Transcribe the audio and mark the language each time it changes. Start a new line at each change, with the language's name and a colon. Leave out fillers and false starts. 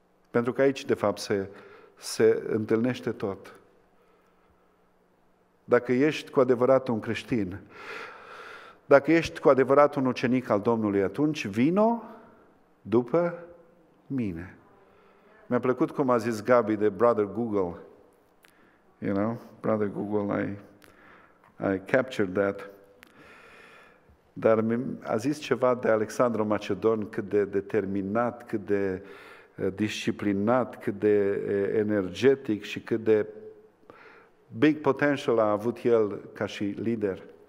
Romanian: Pentru că aici, de fapt, se întâlnește tot. Dacă ești cu adevărat un creștin, dacă ești cu adevărat un ucenic al Domnului, atunci vino după mine. Mi-a plăcut cum a zis Gabi de Brother Rugul.
English: You know, Brother Rugul, I captured that.
Romanian: Dar a zis ceva de Alexandru Macedon, cât de determinat, cât de disciplinat, cât de energetic și cât de
English: big potential
Romanian: a avut el ca și lider.